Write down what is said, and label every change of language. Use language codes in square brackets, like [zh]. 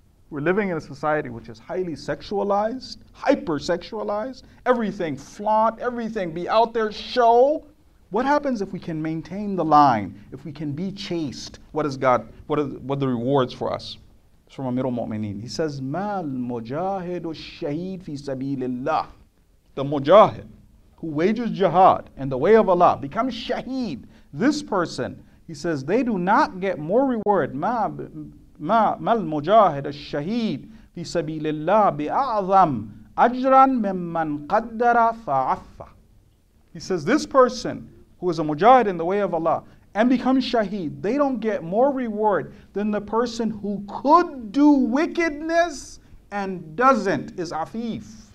[en] We're living in a society which is highly sexualized, hyper-sexualized. Everything flaunt, everything be out there, show. What happens if we can maintain the line? If we can be chaste, what is God, what are the rewards for us? It's from Amir al-Mu'mineen. He says, [ar] مَا الْمُجَاهِدُ الشَّهِيدُ فِي سَبِيلِ اللَّهِ. [en] The mujahid, who wages jihad in the way of Allah, becomes shaheed. This person, he says, they do not get more reward. [ar] مَا الْمُجَاهِدَ الشَّهِيدِ فِي سَبِيلِ اللَّهِ بِأَعْظَمْ أَجْرًا مِمَّنْ قَدَّرَ فَعَفَّ. [en] He says, this person, who is a mujahid in the way of Allah, and becomes shaheed, they don't get more reward than the person who could do wickedness and doesn't, is afif.